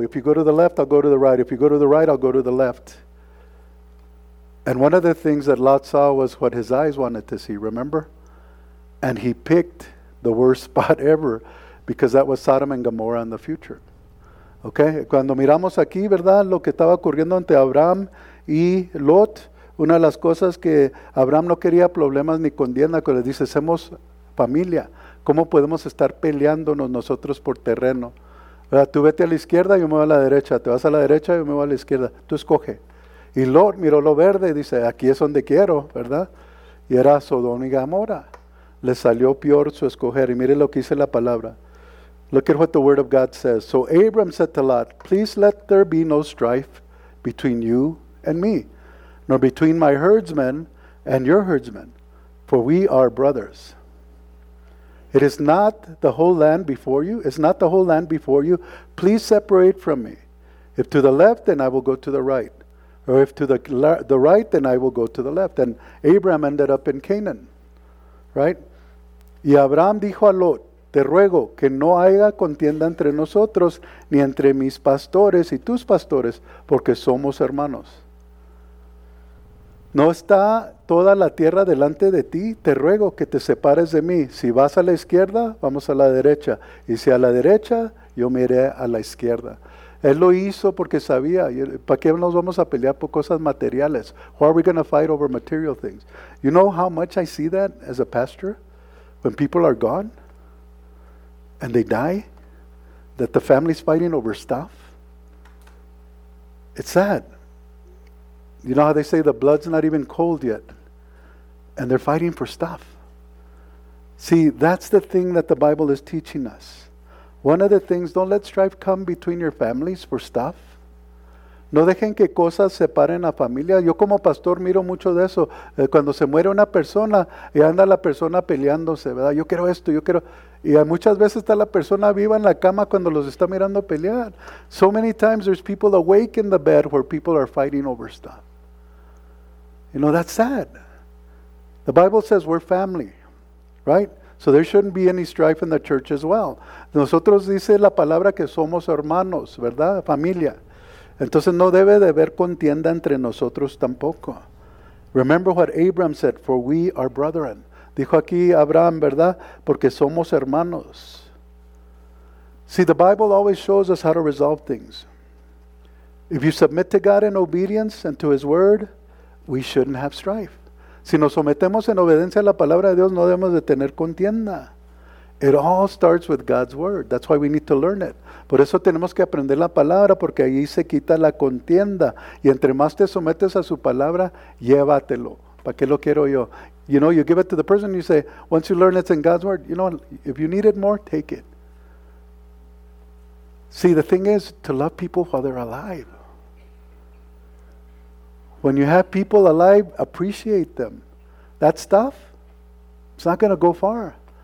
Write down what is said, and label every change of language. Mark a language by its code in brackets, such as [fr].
[en] If you go to the left, I'll go to the right. If you go to the right, I'll go to the left. And one of the things that Lot saw was what his eyes wanted to see, remember? And he picked the worst spot ever because that was Sodom and Gomorrah in the future. [es] Okay, cuando miramos aquí, ¿verdad? Lo que estaba ocurriendo entre Abraham y Lot, una de las cosas que Abraham no quería problemas ni contienda, que le dice, somos familia, ¿cómo podemos estar peleándonos nosotros por terreno? ¿Verdad? Tú vete a la izquierda, yo me voy a la derecha, te vas a la derecha, yo me voy a la izquierda, tú escoge. Y Lot miró lo verde y dice, aquí es donde quiero, ¿verdad? Y era Sodoma y Gomorra. Le salió peor su escoger, y mire lo que dice la palabra. [en] Look at what the word of God says. So Abram said to Lot, please let there be no strife between you and me, nor between my herdsmen and your herdsmen, for we are brothers. It is not the whole land before you. It's not the whole land before you. Please separate from me. If to the left, then I will go to the right. Or if to the right, then I will go to the left. And Abram ended up in Canaan, right? [es] Y Abraham dijo a Lot, te ruego que no haya contienda entre nosotros, ni entre mis pastores y tus pastores, porque somos hermanos. ¿No está toda la tierra delante de ti? Te ruego que te separes de mí. Si vas a la izquierda, vamos a la derecha. Y si a la derecha, yo me iré a la izquierda. Él lo hizo porque sabía, ¿para qué nos vamos a pelear por cosas materiales? [en] Why are we going to fight over material things? You know how much I see that as a pastor? When people are gone and they die, that the family's fighting over stuff. It's sad. You know how they say the blood's not even cold yet, and they're fighting for stuff. See, that's the thing that the Bible is teaching us. One of the things, don't let strife come between your families for stuff. [es] No dejen que cosas separen a familia. Yo como pastor miro mucho de eso. Cuando se muere una persona, y anda la persona peleándose, ¿verdad? Yo quiero esto, yo quiero... Y muchas veces está la persona viva en la cama cuando los está mirando pelear. [en] So many times there's people awake in the bed where people are fighting over stuff. You know, that's sad. The Bible says we're family, right? So there shouldn't be any strife in the church as well. [es] Nosotros dice la palabra que somos hermanos, ¿verdad? Familia. Entonces no debe de haber contienda entre nosotros tampoco. [en] Remember what Abraham said, for we are brethren. [es] Dijo aquí Abraham, ¿verdad? Porque somos hermanos. [en] See, the Bible always shows us how to resolve things. If you submit to God in obedience and to his word, we shouldn't have strife. [es] Si nos sometemos en obediencia a la palabra de Dios, no debemos de tener contienda. [en] It all starts with God's word. That's why we need to learn it. [es] Por eso tenemos que aprender la palabra, porque ahí se quita la contienda. Y entre más te sometes a su palabra, llévatelo. ¿Para qué lo quiero yo? [en] You know, you give it to the person, you say, once you learn it's in God's word, you know, if you need it more, take it. See, the thing is to love people while they're alive. When you have people alive, appreciate them. That stuff, it's not going to go far.